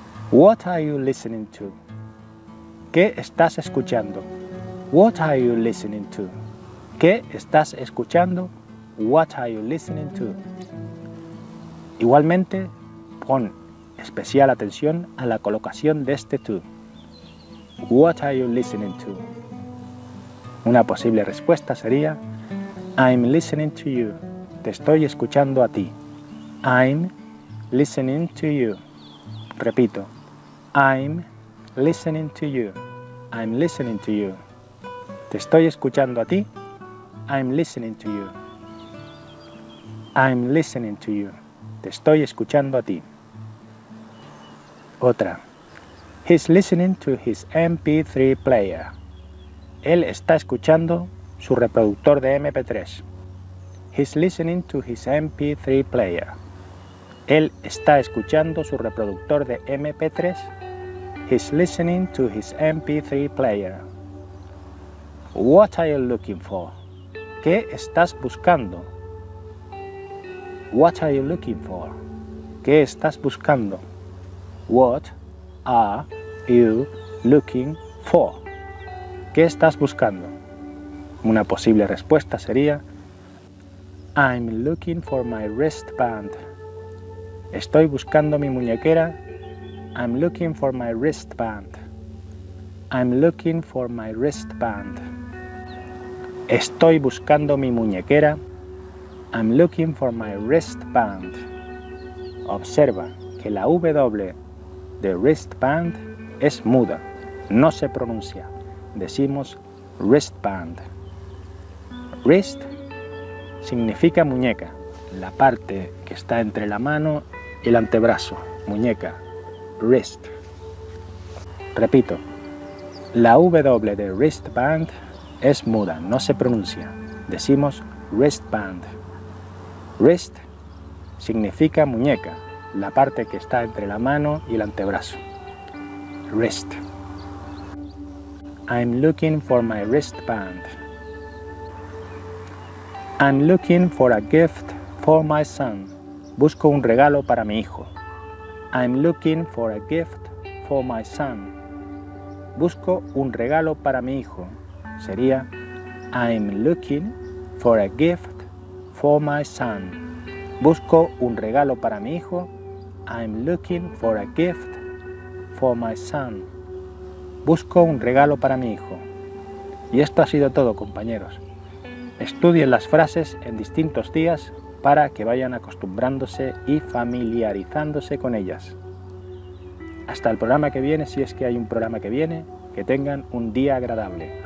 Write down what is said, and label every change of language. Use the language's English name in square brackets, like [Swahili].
[English] What are you listening to? [Spanish] ¿Qué estás escuchando? [English] What are you listening to? [Spanish] ¿Qué estás escuchando? [English] What are you listening to? [Spanish] Igualmente, pon especial atención a la colocación de este to. [English] What are you listening to? [Spanish] Una posible respuesta sería [English] I'm listening to you. [Spanish] Te estoy escuchando a ti. [English] I'm listening to you. [Spanish] Repito. [English] I'm listening to you. I'm listening to you. [Spanish] Te estoy escuchando a ti. [English] I'm listening to you. I'm listening to you. [Spanish] Te estoy escuchando a ti. Otra. [English] He's listening to his MP3 player. [Spanish] Él está escuchando su reproductor de MP3. [English] He's listening to his MP3 player. [Spanish] Él está escuchando su reproductor de MP3. [English] He's listening to his MP3 player. What are you looking for? [Spanish] ¿Qué estás buscando? [English] What are you looking for? [Spanish] ¿Qué estás buscando? [English] What are you looking for? [Spanish] ¿Qué estás buscando? Una posible respuesta sería [English] I'm looking for my wristband. [Spanish] Estoy buscando mi muñequera. [English] I'm looking for my wristband. I'm looking for my wristband. [Spanish] Estoy buscando mi muñequera. [English] I'm looking for my wristband. [Spanish] Observa que la W de wristband es muda, no se pronuncia. Decimos wristband. Wrist significa muñeca, la parte que está entre la mano y el antebrazo. Muñeca, wrist. Repito, la W de wristband es muda, no se pronuncia. Decimos wristband. Wrist significa muñeca, la parte que está entre la mano y el antebrazo. [English] Wrist. I'm looking for my wristband. I'm looking for a gift for my son. [Spanish] Busco un regalo para mi hijo. [English] I'm looking for a gift for my son. [Spanish] Busco un regalo para mi hijo. Sería [English] I'm looking for a gift for my son. [Spanish] Busco un regalo para mi hijo. [English] I'm looking for a gift for my son. [Spanish] Busco un regalo para mi hijo. Y esto ha sido todo, compañeros. Estudien las frases en distintos días para que vayan acostumbrándose y familiarizándose con ellas. Hasta el programa que viene, si es que hay un programa que viene, que tengan un día agradable.